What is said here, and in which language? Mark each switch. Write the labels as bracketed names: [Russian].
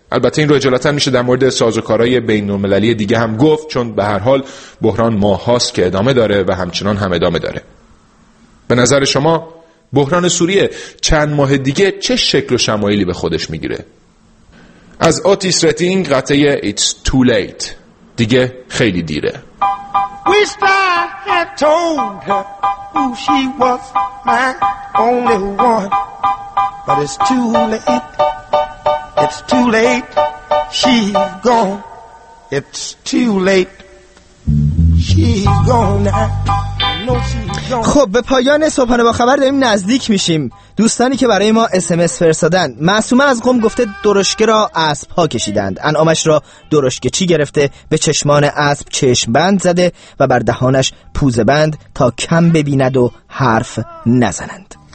[Persian] البته این رو اجلتاً میشه در مورد سازوکارهای بین‌المللی دیگه هم گفت، چون به هر حال بحران ماه هاست که ادامه داره و همچنان هم ادامه داره. به نظر شما بحران سوریه چند ماه دیگه چه شکل و شمایلی به خودش میگیره؟ از آتیس رتینگ قطعه It's too late، دیگه خیلی دیره. [English] Who she was my only one, but it's too late, it's too late, she's gone, it's too late, she's gone now. [Persian] خب به پایان صبحانه با خبر داریم نزدیک میشیم. دوستانی که برای ما اسمس فرستادن، معصومه از قم گفته درشکه را اسب ها کشیدند، انعامش را درشکه چی گرفته، به چشمان اسب چشم بند زده و بر دهانش پوزه بند تا کم ببیند و حرف نزنند.